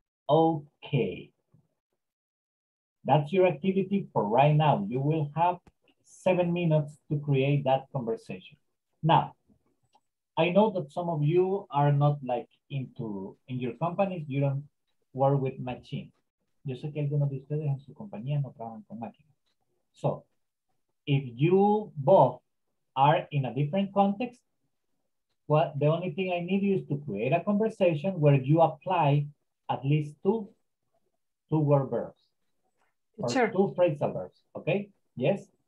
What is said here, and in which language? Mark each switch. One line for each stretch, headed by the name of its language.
English: Okay. That's your activity for right now. You will have 7 minutes to create that conversation. Now, I know that some of you are not like in your companies, you don't work with machines.
Spanish: Yo sé que algunos de ustedes en su compañía no trabajan con máquinas.
English: So, if you both are in a different context, well, the only thing I need you is to create a conversation where you apply at least two-word verbs. Or sure. Two phrasal verbs, okay? Yes?